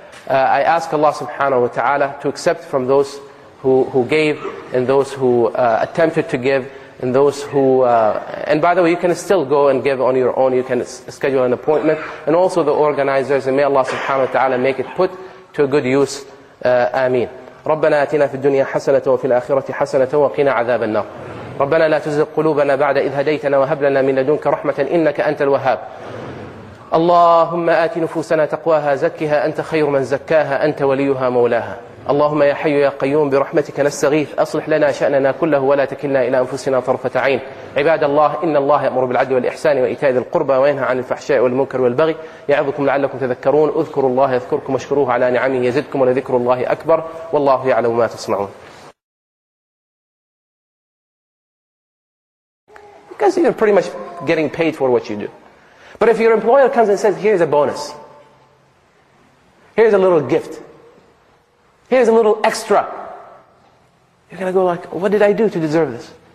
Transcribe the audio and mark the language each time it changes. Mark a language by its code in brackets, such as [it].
[en] I ask Allah subhanahu wa ta'ala to accept from those who gave and those who attempted to give and those who... And by the way, you can still go and give on your own. You can schedule an appointment. And also the organizers, and may Allah subhanahu wa ta'ala make it put to a good use. Ameen. [ar] ربنا آتنا في الدنيا حسنة وفي الآخرة حسنة وقنا عذاب النار ربنا لا تزغ قلوبنا بعد إذ هديتنا وهب لنا من لدنك رحمة إنك أنت الوهاب اللهم آت نفوسنا تقواها زكها أنت خير من زكاها أنت وليها مولاها اللهم يا حي يا قيوم برحمتك نستغيث أصلح لنا شأننا كله ولا تكلنا إلى أنفسنا طرفة عين عباد الله إن الله يأمر بالعدل والإحسان وإيتاء ذي القربى وينهى عن الفحشاء والمنكر والبغي يعظكم لعلكم تذكرون اذكروا الله يذكركم واشكروه على نعمه يزدكم ولذكر الله أكبر والله يعلم ما تصنعون. [en] Because you're pretty much getting paid for what you do. But if your employer comes and says, here's a bonus, here's a little gift, here's a little extra, you're going to go like, what did I do to deserve this?